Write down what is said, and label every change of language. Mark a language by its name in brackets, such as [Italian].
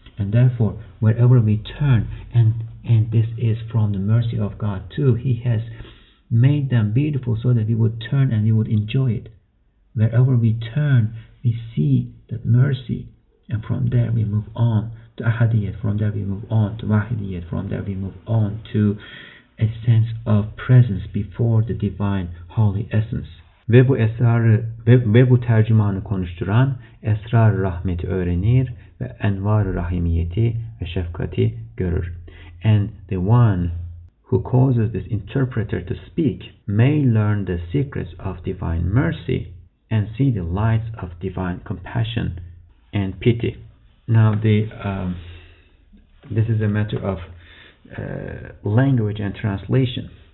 [English] And therefore, wherever we turn, and this is from the mercy of God too, He has made them beautiful so that we would turn and we would enjoy it. Wherever we turn, we see that mercy, and from there we move on to Ahadiyyat, from there we move on to Wahidiyyat, from there we move on to a sense of presence before the divine holy essence. [Turkish] Ve bu esrarı ve bu tercümanı konuşturan esrar-ı rahmeti öğrenir ve envar-ı rahimiyeti ve şefkati görür. [English] And the one who causes this interpreter to speak may learn the secrets of divine mercy and see the lights of divine compassion and pity. Now this is a matter of language and translation.